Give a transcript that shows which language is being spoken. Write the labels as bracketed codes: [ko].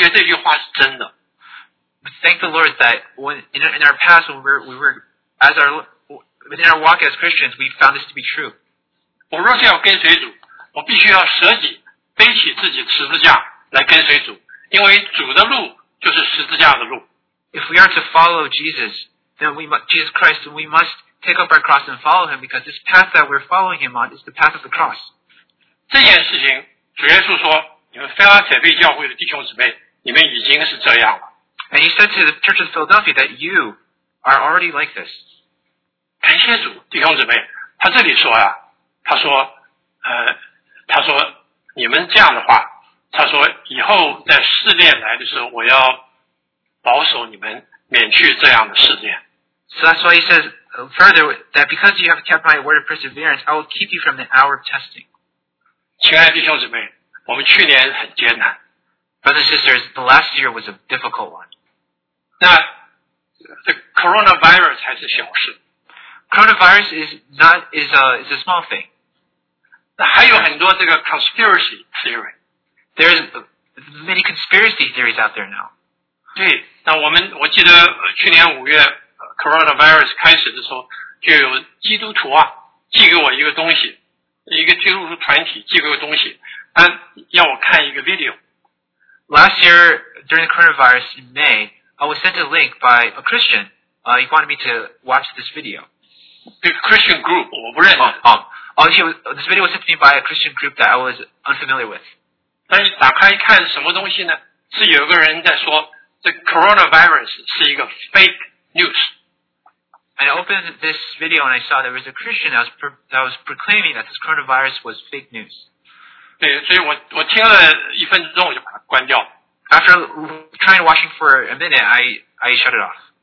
[zh] 感谢主，我们过往我们作为一个基督徒，我们发觉这句话是真的。Thank [en] the Lord that in our past when we were in our walk as Christians, we found this to be true. [zh] 我若是要跟随主，我必须要舍己，背起自己的十字架来跟随主，因为主的路就是十字架的路。 [en] If we are to follow Jesus, then we Jesus Christ, we must take up our cross and follow Him because this path that we're following Him on is the path of the cross. [zh] 这件事情，主耶稣说，你们菲拉铁菲教会的弟兄姊妹，你们已经是这样了。 [en] And He said to the church of Philadelphia that you are already like this. [zh] 感谢主，弟兄姊妹，他这里说啊，他说，他说你们这样的话，他说以后在试炼来的时候，我要保守你们免去这样的试炼。 [en] So that's why he says further that because you have kept my word of perseverance, I will keep you from the hour of testing. [zh] 亲爱的弟兄姊妹，我们去年很艰难。 [en] Brothers and sisters, the last year was a difficult one. [zh] 那 the coronavirus 还是小事。 [en] Coronavirus is a small thing. [zh] 那还有很多这个 conspiracy theory. [en] There is many conspiracy theories out there now. [zh] 对，那我记得去年五月 coronavirus 开始的时候，就有基督徒啊寄给我一个东西，一个基督徒团体寄给我东西，要我看一个 video。 [en] Last year during the coronavirus in May, I was sent a link by a Christian. He wanted me to watch this video. The Christian group [zh] 我不认识。 [en] This video was sent to me by a Christian group that I was unfamiliar with. [zh] 但是打开一看什么东西呢？是有个人在说。 [en] The coronavirus is a fake news. I opened this video and I saw there was a Christian that was proclaiming that this coronavirus was fake news. [zh] 对，所以我听了一分钟我就把它关掉。 [en] After trying watching for a minute, I shut it off.